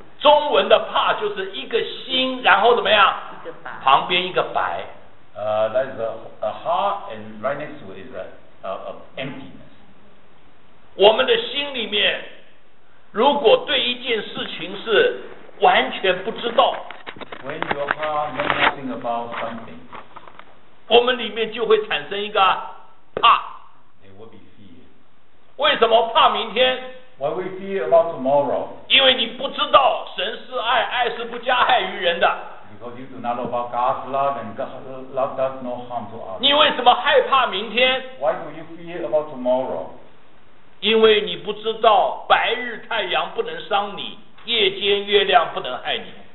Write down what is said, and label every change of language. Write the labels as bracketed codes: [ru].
[zh] 中文的怕就是一个心，然后怎么样？一个白。旁边一个白。 [en] That is a heart, and right next to it is a emptiness. [zh] 我们的心里面。如果对一件事情是完全不知道 [en] When your heart knows nothing about something, [zh] 我们里面就会产生一个怕 [en] It will be fear. [zh] 为什么怕明天 [en] Why we fear about tomorrow? [zh] 因为你不知道神是爱爱是不加害于人的 [en] Because you do not know about God's love and God's love does no harm to others [zh] 你为什么害怕明天 [en] Why do you fear about tomorrow? [zh] 因为你不知道白日太阳不能伤你，夜间月亮不能害你。